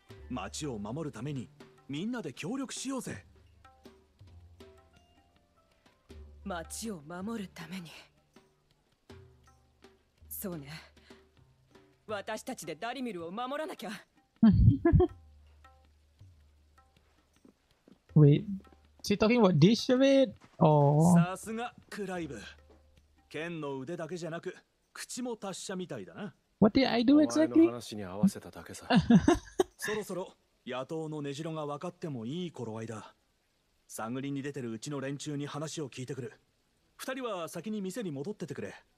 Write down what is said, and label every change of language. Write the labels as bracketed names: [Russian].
[Japanese] 町を守るためにみんなで協力しようぜ。町を守るために、そうね、私たちでダリミルを守らなきゃ。 [English] Wait, is he talking about this of it? [Japanese] さすがクライブ、剣の腕だけじゃなく口も達者みたいだな。 [English] What did I do exactly? [Japanese] お前の話に合わせただけさ。そろそろ野党の根城が分かってもいい頃合いだ。探りに出てるうちの連中に話を聞いてくる。二人は先に店に戻っててくれ。